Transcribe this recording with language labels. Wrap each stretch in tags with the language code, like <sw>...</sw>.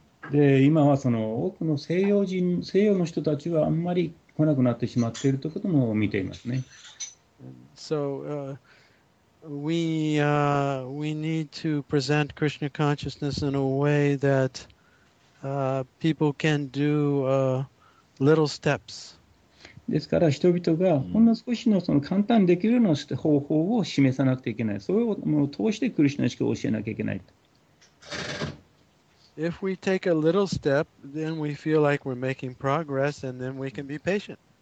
<ja>で、今はその多くの西洋の人たちはあんまり来なくなってしまっているということも見ていますね。</ja> <en>So, we need to present Krishna consciousness in a way that people can do little steps.</en> <ja>ですから人々がほんの少しのその簡単にできるの方法を示さなくてはいけない。それをもう通してクリシュナ意識を教えなきゃいけないと。</ja> <en>If we take a little step, then we feel like we're making progress, and then we can be patient.</en>